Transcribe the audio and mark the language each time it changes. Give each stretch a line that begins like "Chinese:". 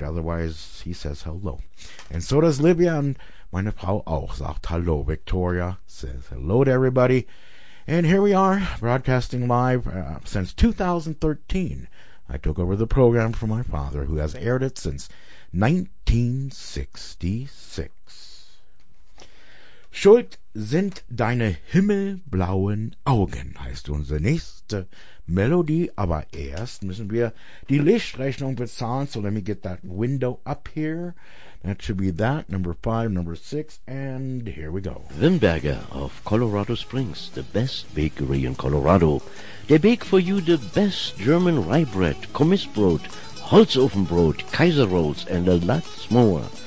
English: Otherwise, he says hello. And so does Livia and
German: meine Frau auch sagt
English: hello. Victoria says hello to everybody. And here we are, broadcasting live since 2013. I took over the program from my father, who has aired it since 1966.
German: Schuld sind deine himmelblauen Augen, heißt unsere nächste Melodie. Aber erst müssen wir die Lichtrechnung bezahlen.
English: So let me get that window up here. That should be that, number 5, number 6, and here we go. Wimberger of Colorado Springs, the best bakery in Colorado. They bake for you the best German rye bread, Kommissbrot, Holzofenbrot, Kaiser Rolls, and a lot more.